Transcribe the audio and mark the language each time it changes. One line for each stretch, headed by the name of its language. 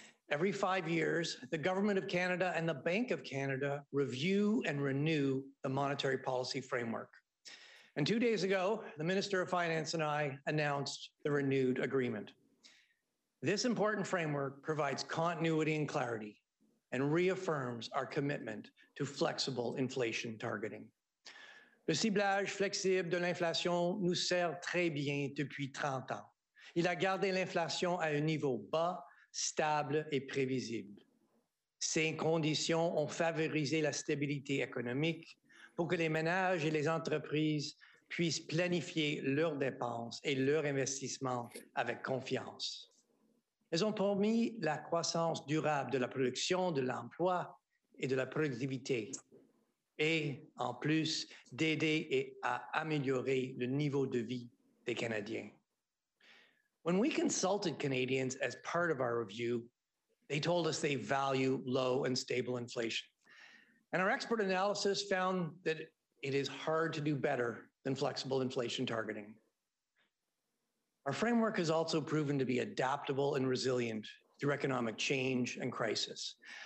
English: Every 5 years, the Government of Canada and the Bank of Canada review and renew the monetary policy framework. And 2 days ago, the Minister of Finance and I announced the renewed agreement. This important framework provides continuity and clarity and reaffirms our commitment to flexible inflation targeting.
French: Le ciblage flexible de l'inflation nous sert très bien depuis 30 ans. Il a gardé l'inflation à un niveau bas, stable et prévisible. Ces conditions ont favorisé la stabilité économique pour que les ménages et les entreprises puissent planifier leurs dépenses et leurs investissements avec confiance. Elles ont permis la croissance durable de la production, de l'emploi et de la productivité, et en plus d'aider et à améliorer le niveau de vie des Canadiens.
English: When we consulted Canadians as part of our review, they told us they value low and stable inflation. And our expert analysis found that it is hard to do better than flexible inflation targeting. Our framework has also proven to be adaptable and resilient through economic change and crisis.